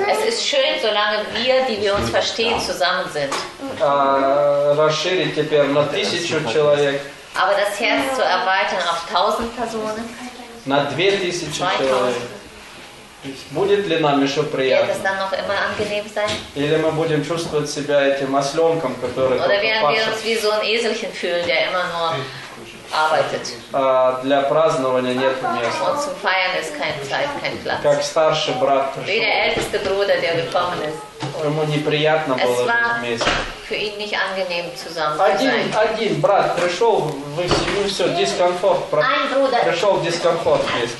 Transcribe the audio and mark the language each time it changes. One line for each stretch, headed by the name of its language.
German: Es ist schön, solange wir, die wir uns verstehen, zusammen sind.
Russian: А расширить теперь на 1000 человек.
German: Aber das Herz zu erweitern auf 1000 Personen.
Russian: На 2000 человек. Будет ли нам еще приятно?
German: Wird es dann noch immer angenehm sein?
Russian: Или мы будем чувствовать себя этим осленком, который
German: Oder werden wir uns wie so ein Eselchen fühlen, der immer nur arbeitet.
Russian: Для празднования нет места.
German: Und zum Feiern ist keine Zeit, kein Platz.
Russian: Как старший брат пришел.
German: Wie der älteste Bruder, der gekommen ist.
Russian: Ему неприятно было вместе.
German: Es war für ihn nicht angenehm zusammen zu sein.
Russian: Один брат пришел, вы все, дискомфорт.
German: Ein Bruder.
Russian: Пришел дискомфорт вместе.